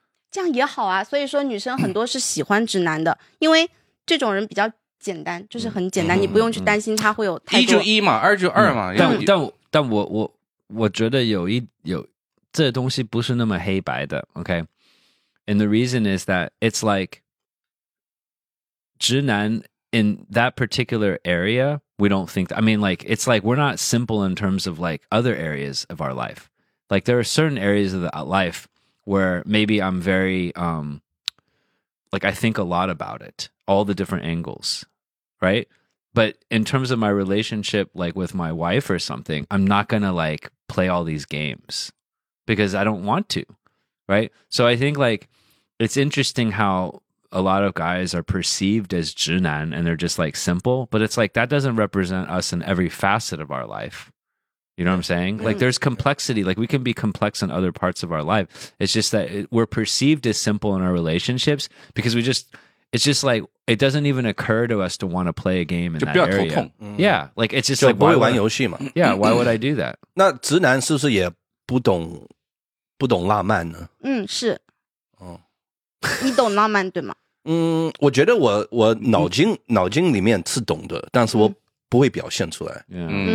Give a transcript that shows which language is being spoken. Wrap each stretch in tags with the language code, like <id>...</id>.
<zh>这样也好啊，所以说女生很多是喜欢直男的，因为这种人比较简单，就是很简单，你不用去担心他会有太多。一就一嘛，二就二嘛。但我觉得有这东西不是那么黑白的 ，OK?</zh> <en>And the reason is that it's like 直男 in that particular area, we don't think, I mean, like, it's like we're not simple in terms of like other areas of our life. Like, there are certain areas of the life where maybe I'm very, like, I think a lot about it, all the different angles, right? But in terms of my relationship, like with my wife or something, I'm not gonna like play all these games. Because I don't want to, right? So I think, like, it's interesting how a lot of guys are perceived as 直男 and they're just, like, simple. But it's like, that doesn't represent us in every facet of our life. You know what I'm saying? Like, there's complexity. Like, we can be complex in other parts of our life. It's just that we're perceived as simple in our relationships because we just, it's just like, it doesn't even occur to us to want to play a game in that area.</en> <zh>就不要头痛。</zh> <en>Yeah, like, it's just like,</en> <zh>就不会玩游戏嘛。</zh> <en>Yeah, why would I do that?</en> <zh>那直男是不是也不懂浪漫呢？嗯，是。哦，你懂浪漫对吗？嗯，我觉得我脑筋里面是懂的，但是我不会表现出来。嗯，</zh>